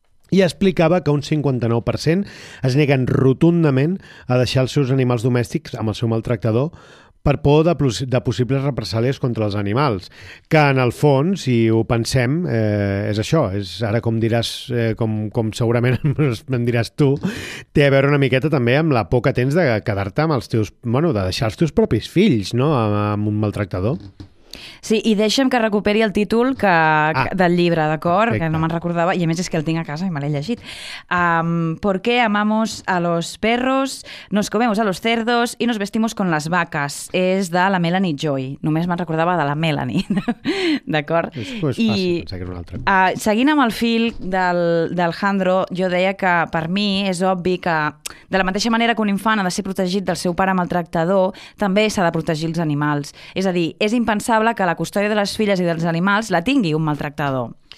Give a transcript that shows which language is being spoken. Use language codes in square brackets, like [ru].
[ca] i explicava que un 59% es neguen rotundament a deixar els seus animals domèstics amb el seu maltractador per por de possibles represàlies contra els animals, que en el fons, si ho pensem, és això, és ara com diràs, com segurament em diràs tu, té a veure una miqueta també amb la por que tens de quedar-te amb els teus, bueno, de deixar els teus propis fills, no?, amb un maltractador. Sí, i deixa'm que recuperi el títol del llibre, d'acord? Que no me'n recordava, i a més és que el tinc a casa i me l'he llegit. [es] ¿Por qué amamos a los perros, nos comemos a los cerdos y nos vestimos con las vacas? [ca] És de la Melanie Joy. Només me'n recordava de la Melanie, d'acord? És fàcil, pensar que era una altra. Seguint amb el fil del Jandro, jo deia que per mi és obvi que de la mateixa manera que un infant ha de ser protegit del seu pare maltractador, també s'ha de protegir els animals. És a dir, és impensable que la custòdia de les filles i dels animals la tingui un maltractador.